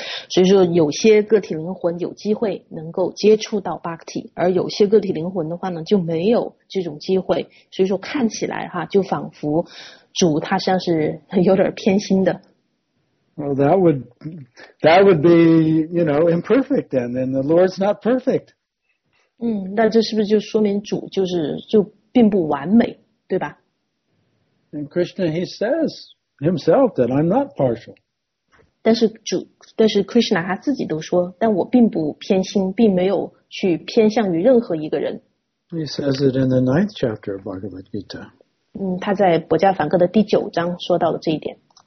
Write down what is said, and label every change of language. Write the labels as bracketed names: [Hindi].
[Chinese] 所以说有些个体灵魂有机会能够接触到 Bhakti, 而有些个体灵魂的话呢就没有这种机会。所以说看起来哈就仿佛主他像是有点偏心的。 [English] Well, that would be, you know, imperfect then, and the Lord's not perfect. [Chinese] 那这是不是就说明主就是就并不完美对吧 [English] And Krishna, he says himself that I'm not partial. [Chinese] 但是 Krishna 他自己都说但我并不偏心并没有去偏向于任何一个人。 [English] He says it in the ninth chapter of Bhagavad Gita. [Chinese] 他在薄伽梵歌的第九章说到了这一点。